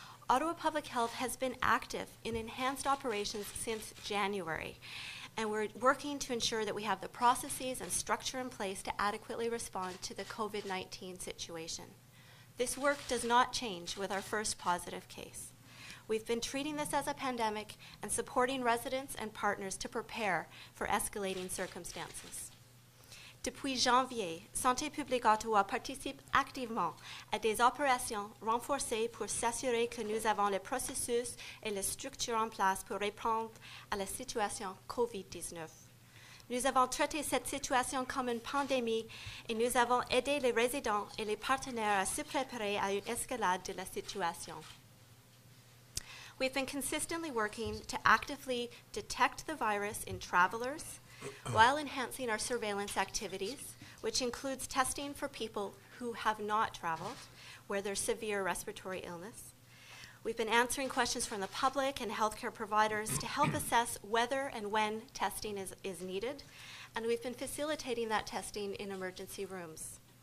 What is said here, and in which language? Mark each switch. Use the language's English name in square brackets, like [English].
[English] Ottawa Public Health has been active in enhanced operations since January, and we're working to ensure that we have the processes and structure in place to adequately respond to the COVID-19 situation. This work does not change with our first positive case. We've been treating this as a pandemic and supporting residents and partners to prepare for escalating circumstances. [French] Depuis janvier, Santé Publique Ottawa participe activement à des opérations renforcées pour s'assurer que nous avons les processus et les structures en place pour répondre à la situation COVID-19. Nous avons traité cette situation comme une pandémie et nous avons aidé les résidents et les partenaires à se préparer à une escalade de la situation. [English] We've been consistently working to actively detect the virus in travelers while enhancing our surveillance activities, which includes testing for people who have not traveled, where there's severe respiratory illness. We've been answering questions from the public and healthcare providers to help assess whether and when testing is needed, and we've been facilitating that testing in emergency rooms.